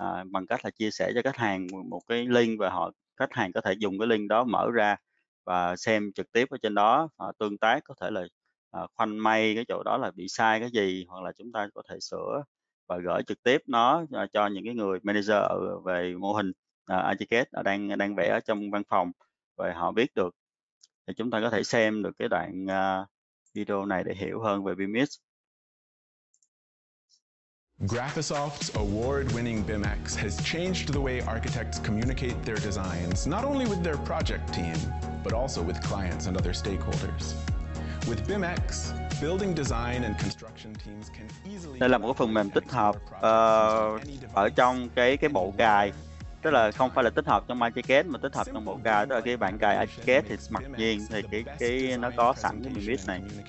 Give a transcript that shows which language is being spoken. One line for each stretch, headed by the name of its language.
Vietnamese: bằng cách là chia sẻ cho khách hàng một cái link, và họ khách hàng có thể dùng cái link đó mở ra và xem trực tiếp ở trên đó, tương tác, có thể là khoanh may cái chỗ đó là bị sai cái gì, hoặc là chúng ta có thể sửa và gửi trực tiếp nó cho những cái người manager về mô hình Archicad đang đang vẽ ở trong văn phòng, và họ biết được. Thì chúng ta có thể xem được cái đoạn video này để hiểu hơn về BIMx.
English: Graphisoft's award-winning BIMx has changed the way architects communicate their designs, not only with their project team, but also with clients and other stakeholders. With BIMx, building design and construction teams can easily
Vietnamese: Đây là một phần mềm tích hợp ở trong cái bộ cài, tức là không phải là tích hợp trong Archicad mà tích hợp trong bộ cài, tức là cái bản cài Archicad thì mặc nhiên thì cái nó có sẵn cái BIMx này.